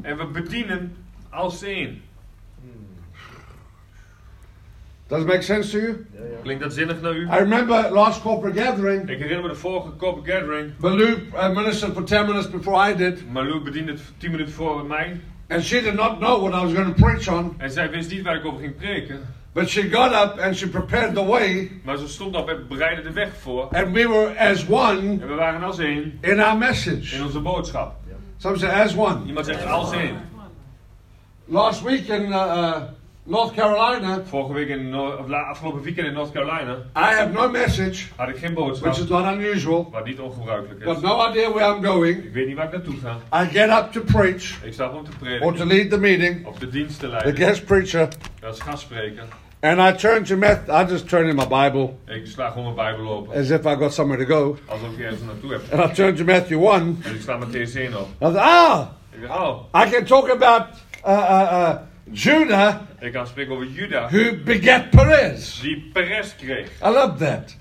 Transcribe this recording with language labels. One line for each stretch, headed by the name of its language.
Dutch: en we bedienen als één.
English: Does it make sense to you?
Dutch: Klinkt dat zinnig naar u?
English: I remember last corporate gathering.
Dutch: Ik herinner me de vorige corporate gathering.
English: Malou ministered for 10 minutes before I did.
Dutch: Malou bediende 10 minuten voor mij.
English: And she did not know what I was going to preach on.
Dutch: En zij wist niet waar ik over ging preken.
English: But she got up and she prepared the way.
Dutch: Maar ze stond op en bereidde de weg voor.
English: And we were as one.
Dutch: En we waren als één.
English: In our message.
Dutch: In onze boodschap.
English: Yeah. Some say as one.
Dutch: Iemand zegt als één.
English: Last week in North Carolina.
Dutch: Vorige week in afgelopen weekend in North Carolina.
English: I have no message.
Dutch: Had ik geen boodschap.
English: Which is not unusual.
Dutch: Wat niet ongebruikelijk is.
English: Got no idea where I'm going.
Dutch: Ik weet niet waar ik naartoe ga.
English: I get up to preach.
Dutch: Ik sta op om te preken.
English: Or to lead the meeting.
Dutch: Of de dienst te leiden.
English: The guest preacher.
Dutch: Dat is gastspreker.
English: And I turn to I just turn in my Bible.
Dutch: Ik sla gewoon mijn Bijbel open.
English: As if I got somewhere to go.
Dutch: Alsof ik ergens naartoe heb.
English: And I turn to Matthew 1.
Dutch: En ik sla Matthäus 1 op.
English: I said, ah! I can talk about Judah.
Dutch: Ik kan spreken over Judah.
English: Who begat Perez.
Dutch: Die Perez kreeg.
English: I love that.